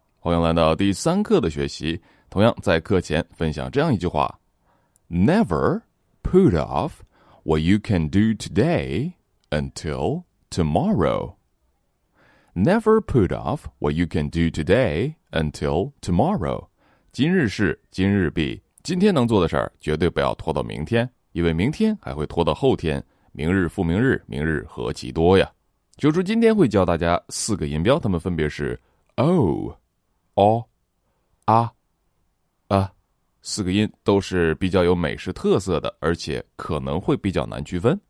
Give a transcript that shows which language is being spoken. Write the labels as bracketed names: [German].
[Chinese] 欢迎来到第三课的学习。同样在课前分享这样一句话。 [English] Never put off what you can do today until tomorrow. Never put off what you can do today until tomorrow. [Chinese] 今日事今日毕。今天能做的事儿绝对不要拖到明天。因为明天还会拖到后天。明日复明日，明日何其多呀。九叔今天会教大家四个音标，它们分别是 O、O、A、A， 四个音都是比较有美式特色的，而且可能会比较难区分。